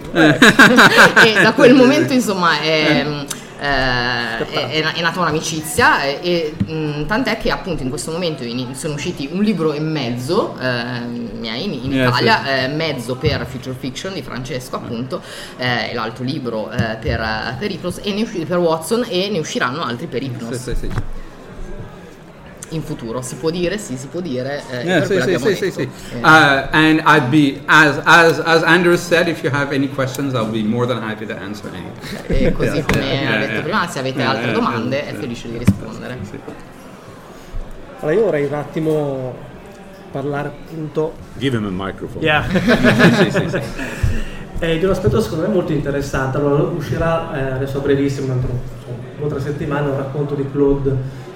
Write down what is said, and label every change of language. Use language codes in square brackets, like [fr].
[it] E da quel momento, insomma, è nata un'amicizia, e tant'è che appunto in questo momento sono usciti un libro e mezzo in Italia, mezzo per Future Fiction di Francesco, appunto, e l'altro libro per Hypnos, e ne uscì per Watson, e ne usciranno altri per Hypnos in futuro, si può dire, si può dire. [en] And I'd be as Andrew said, if you have any questions, I'll be more than happy to answer any. [it] E così come detto prima, se avete altre domande, è felice di rispondere. Sì. Allora, io vorrei un attimo parlare, appunto. [en] Give him a microphone. Yeah. [it] di un aspetto secondo me molto interessante. Allora, uscirà adesso a brevissimo, un'altra settimana, un racconto di Claude.